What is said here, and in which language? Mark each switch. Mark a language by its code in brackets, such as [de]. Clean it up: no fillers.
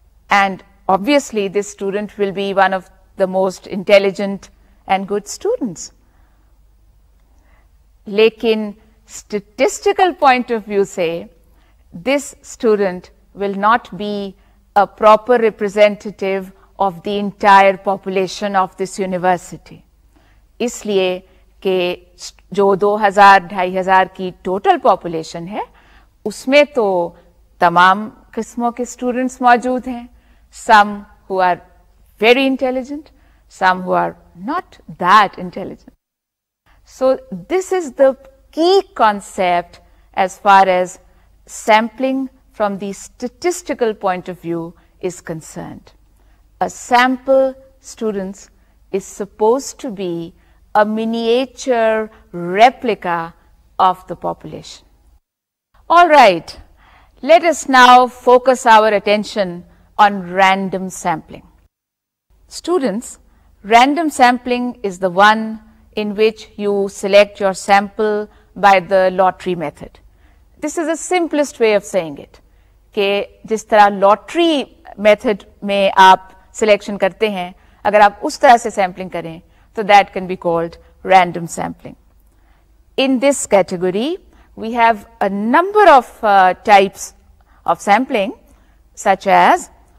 [en] And obviously, this student will be one of the most intelligent and good students. Lekin statistical point of view say, this student will not be a proper representative of the entire population of this university. [ur] اس لیے کہ جو 2,000-2,500 کی total population ہے اس میں تو تمام قسموں کے اسٹوڈنٹس موجود ہیں سم ہو are very intelligent some ہو are not that intelligent [en] So this is the key concept as far as sampling from the statistical point of view is concerned a sample students is supposed to be a miniature replica of the population. All right, let us now focus our attention on random sampling. Students, random sampling is the one in which you select your sample by the lottery method. This is the simplest way of saying it. [ur] Okay, jis tarah lottery method mein aap selection karte hain, اگر آپ اس طرح سے sampling کریں تو that can be called random sampling in this category we have a number of types of sampling such as